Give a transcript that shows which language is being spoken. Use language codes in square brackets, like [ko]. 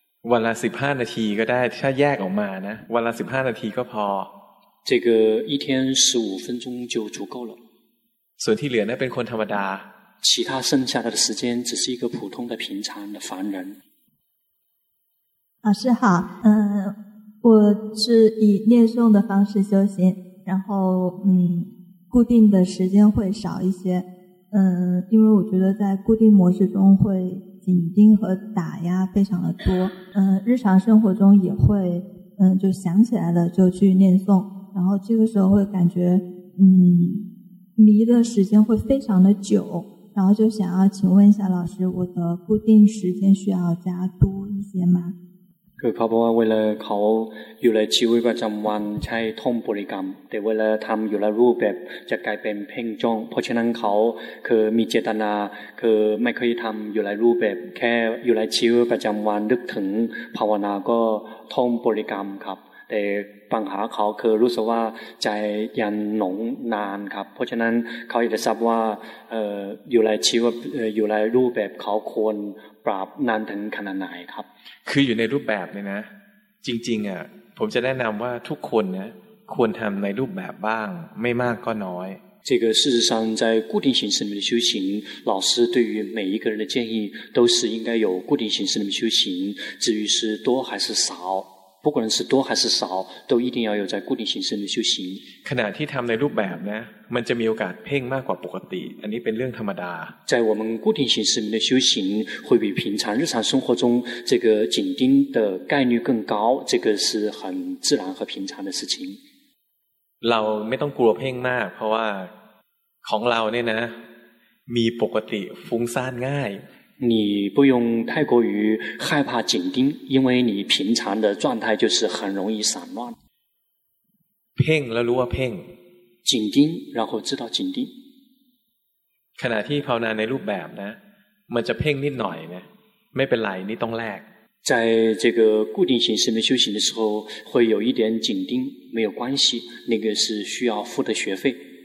[th] วันละ15นาทีก็ได้ถ้าแยกออกมานะวันละ15นาทีก็พอ [zh] 这个一天十五分钟就足够了 [th] ส่วนที่เหลือนั้นเป็นคนธรรมดา [zh] 其他剩下的时间只是一个普通的平常的凡人老师好我是以念诵的方式修行然后固定的时间会少一些因为我觉得在固定模式中会紧盯和打压非常的多日常生活中也会就想起来了就去念诵然后这个时候会感觉迷的时间会非常的久然后就想要请问一下老师我的固定时间需要加多一些吗 [th] คือเขาบอกว่าเวลาเขาอยู่ในชีวิตประจำวันใช้ท่องบริกรรมแต่เวลาทำอยู่ในรูปแบบจะกลายเป็นเพ่งจ้องเพราะฉะนั้นเขาคือมีเจตนาคือไม่เคยทำอยู่ในรูปแบบแค่อยู่ในชีวิตประจำวันนึกถึงภาวนาก็ท่องบริกรรมครับแต่ปัญหาเขาคือรู้สึกว่าใจยังหลงนานครับเพราะฉะนั้นเขาอยากจะทราบว่าอยู่ในชีวิตอยู่ในรูปแบบเขาควรปรับนานถึงขนาดไหนครับ คืออยู่ในรูปแบบเนี่ยนะจริงๆอ่ะผมจะแนะนำว่าทุกคนนะควรทำในรูปแบบบ้างไม่มากก็น้อย [zh] 这个事实上在固定形式里面修行老师对于每一个人的建议都是应该有固定形式里面修行至于是多还是少不管是多还是少都一定要有在固定形式的修行 [th] ขณะที่ทำในรูปแบบนะมันจะมีโอกาสเพ่งมากกว่าปกติอันนี้เป็นเรื่องธรรมดา [zh] 在我们固定形式的修行会比平常日常生活中这个紧盯的概率更高这个是很自然和平常的事情 [th] เราไม่ต้องกลัวเพ่งมากเพราะว่าของเราเนี่ยนะมีปกติฟุ้งซ่านง่าย [zh] 你不用太过于害怕紧盯因为你平常的状态就是很容易散乱 [th] เพ่งแล้วรู้ว่าเพ่ง [zh] 紧盯然后知道紧盯 [th] ขณะที่ภาวนาในรูปแบบนะมันจะเพ่งนิดหน่อยนะไม่เป็นไรนี่ต้องแลก [zh] 在这个固定形式的修行的时候会有一点紧盯没有关系那个是需要付的学费